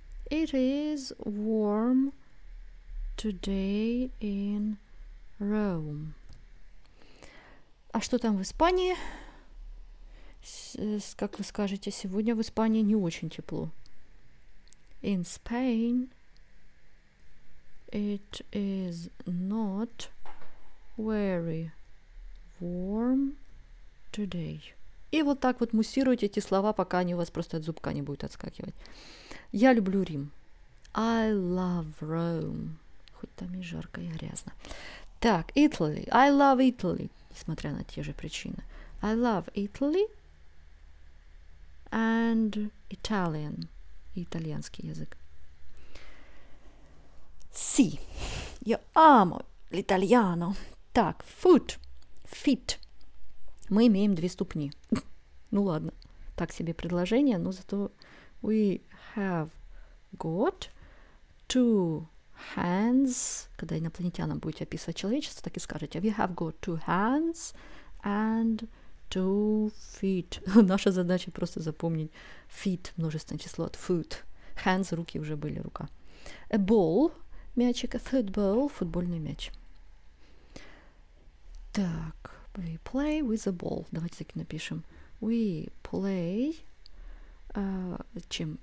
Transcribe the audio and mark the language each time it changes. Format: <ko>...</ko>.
<en>It is warm today in Rome.</en> <ru>А что там в Испании? Как вы скажете, сегодня в Испании не очень тепло.</ru> <en>In Spain it is not very warm today.</en> <ru>И вот так вот муссируйте эти слова, пока они у вас просто от зубка не будут отскакивать. Я люблю Рим.</ru> <en>I love Rome.</en> <ru>Хоть там и жарко, и грязно.</ru> <en>Так, Italy. I love Italy.</en> <ru>Несмотря на те же причины.</ru> <en>I love Italy and Italian.</en> <ru>Итальянский язык.</ru> <it>Si. Io amo l'italiano.</it> <ru>Так,</ru> <it>foot. Feet.</it> <ru>Мы имеем две ступни. Ну ладно, так себе предложение, но зато</ru> <en>we have got two hands.</en> <ru>Когда инопланетянам будете описывать человечество, так и скажете.</ru> <en>We have got two hands and two feet.</en> <ru>Наша задача просто запомнить feet, множественное число от foot. Hands, руки уже были, рука. A ball, мячик, a football, футбольный мяч. Так,</ru> <en>we play with a ball.</en> <ru>Давайте так и напишем.</ru> <en>We play,</en> <ru>чем?</ru>